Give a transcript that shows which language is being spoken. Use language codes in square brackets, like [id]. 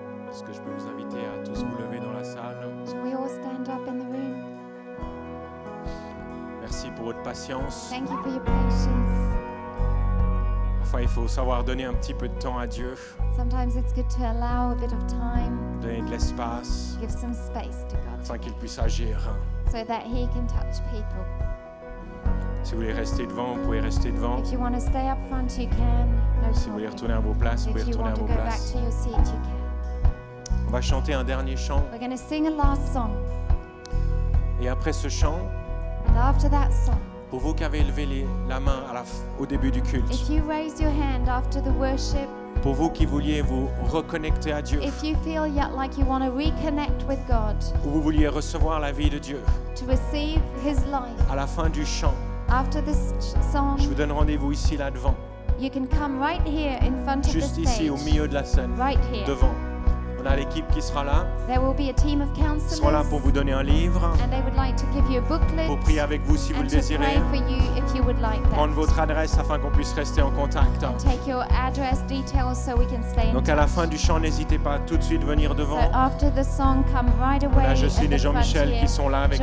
[fr] Est-ce que je peux vous inviter à tous vous lever dans la salle? [en] We all stand up in the room? [fr] Merci pour votre patience. [en] Thank you for your patience. [fr] Parfois, il faut savoir donner un petit peu de temps à Dieu. [en] Sometimes it's good to allow a bit of time. [fr] Donner de l'espace. [en] Give some space to God. [fr] Afin qu'il puisse agir. [en] So that he can touch people. [fr] Si vous voulez rester devant, vous pouvez rester devant. [en] If you want to stay up front, you can. No problem. [fr] Si vous voulez retourner à vos places, vous pouvez retourner à vos places. [en] If you want to go back to your seat, you can. [fr] On va chanter un dernier chant. [en] We're going to sing a last song. [fr] Et après ce chant. [en] And after that song. [fr] Pour vous qui avez levé la main au début du culte. [en] If you raise your hand after the worship, [fr] pour vous qui vouliez vous reconnecter à Dieu. [en] If you feel like you want to reconnect with God, [fr] ou vous vouliez recevoir la vie de Dieu. [en] To receive his life, [fr] à la fin du chant. [en] After this song, [fr] je vous donne rendez-vous ici là-devant. [en] You can come right here in front of the stage. [fr] Juste ici au milieu de la scène. [en] Right here. [fr] Devant. On a l'équipe qui sera là. [en] There will be a team of counselors. [fr] Sera là pour vous donner un livre. [en] And they would like to give you a booklet. [fr] Pour prier avec vous si [en] and [fr] vous le désirez. [en] Pray for you if you would like that. [fr] Prendre votre adresse afin qu'on puisse rester en contact. [en] And take your address details so we can stay in [fr] Donc à la fin du chant, n'hésitez pas tout de suite venir devant. [en] So after the song, come right away. [fr] On a Jocelyne et Jean-Michel qui sont là avec